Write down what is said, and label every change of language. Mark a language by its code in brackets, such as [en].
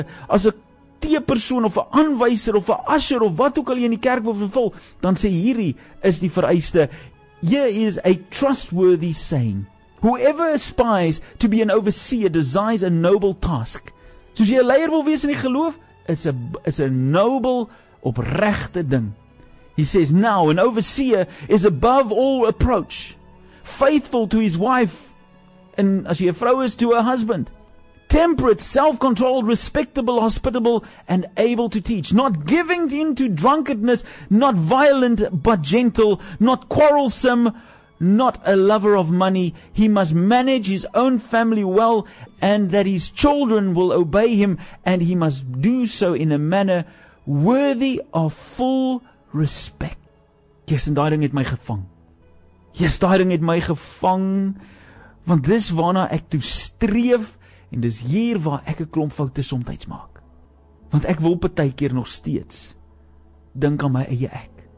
[af] as 'n T-persoon, of 'n aanwyser, of 'n usher, of wat ook al jy in die kerk wil vervul, dan sê hierdie is die vereiste, [en] here is a trustworthy saying, whoever aspires to be an overseer desires a noble task. [af] Soos jy 'n leier wil wees in die geloof, [en] is a noble, [af] opregte ding. [en] He says, now, an overseer is above all approach, faithful to his wife, and [af] as jy 'n vrou is, [en] to her husband, temperate, self-controlled, respectable, hospitable, and able to teach, not giving in to drunkenness, not violent, but gentle, not quarrelsome, not a lover of money. He must manage his own family well, and that his children will obey him, and he must do so in a manner worthy of full respect. [af] Yes, en daai ding het my gevang. Yes, daai ding het my gevang, want dis waarna ek toe streef, en dis hier waar ek 'n klomp foute soms maak. Want ek wil partykeer nog steeds dink aan my eie ek.